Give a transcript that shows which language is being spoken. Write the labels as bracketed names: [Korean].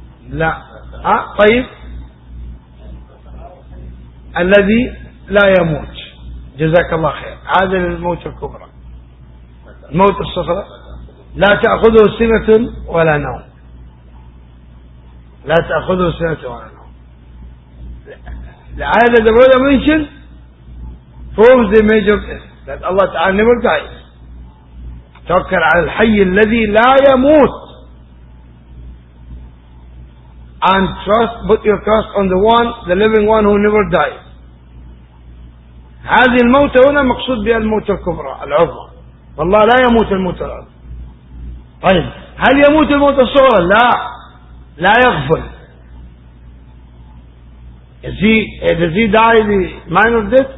[Arabic] لا طيب الذي لا يموت جزاك الله خير هذا الموت الكبرى الموت الصغرى لا تأخذه سنة ولا نوم لا تأخذه سنة ولا نوم هذا [English] the word I mentioned proves the major death that Allah Ta'ala never dies. [Arabic] توكل على الحي الذي لا يموت [English] and trust, put your trust on the one, the living one who never dies. [Arabic] هذه الموت هنا مقصود بها الموت الكبرى العظمى. والله لا يموت الموت العظمى. طيب هل يموت الموت الصغرى؟ لا, لا يغفل. [English] Does he die the minor death?